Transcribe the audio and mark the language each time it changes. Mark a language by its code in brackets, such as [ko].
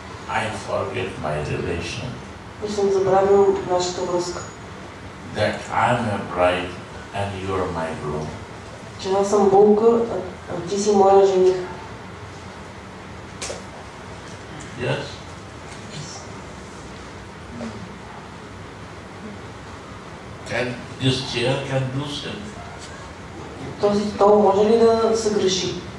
[en] I forget my relation. [bg] И съм забравил нашата връзка. [en] That I'm a bride and you're my groom. [bg] Че аз съм булка, а ти си моя жених. [en] Yes? Can this chair can do sin? [bg] Този стол може ли да съгреши?